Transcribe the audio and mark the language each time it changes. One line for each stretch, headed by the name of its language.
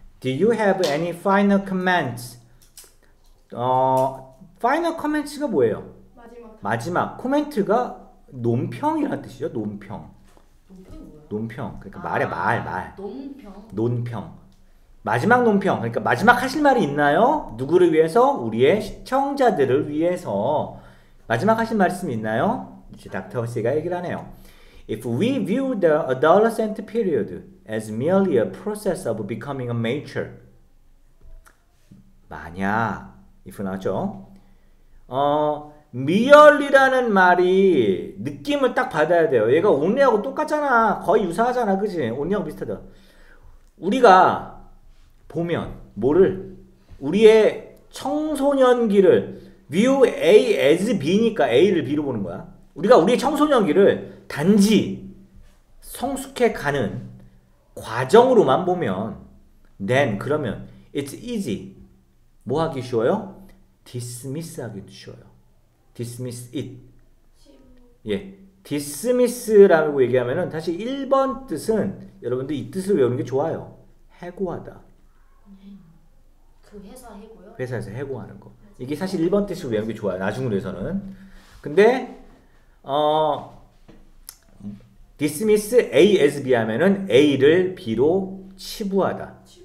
English: Do you have any final comments?
Korean: final comments가 뭐예요? 마지막 답변. 마지막, comment가 논평이라는 뜻이죠, 논평. 논평, 그러니까 말의 말, 말. 논평. 논평. 마지막 논평, 그러니까 마지막 하실 말이 있나요? 누구를 위해서? 우리의 시청자들을 위해서. 마지막 하실 말씀 있나요? 이제 닥터 씨가 얘기를 하네요.
English: If we view the adolescent period as merely a process of becoming a mature,
Korean: 만약,
English: if 나왔죠?
Korean: merely라는 말이 느낌을 딱 받아야 돼요. 얘가 only하고 똑같잖아. 거의 유사하잖아. 그지? only하고 비슷하다. 우리가 보면, 뭐를? 우리의 청소년기를 view A as B니까 A를 B로 보는 거야. 우리가 우리의 청소년기를 단지 성숙해 가는 과정으로만 보면, then, 그러면,
English: it's easy.
Korean: 뭐 하기 쉬워요? dismiss 하기도 쉬워요. dismiss it. 예. dismiss라고 얘기하면은, 다시 1번 뜻은, 여러분들 이 뜻을 외우는 게 좋아요. 해고하다. 그 회사 해고요? 회사에서 해고하는 거. 이게 사실 1번 뜻을 외우는 게 좋아요. 나중으로서는. 근데, dismiss A as B 하면은 A를 B로 치부하다.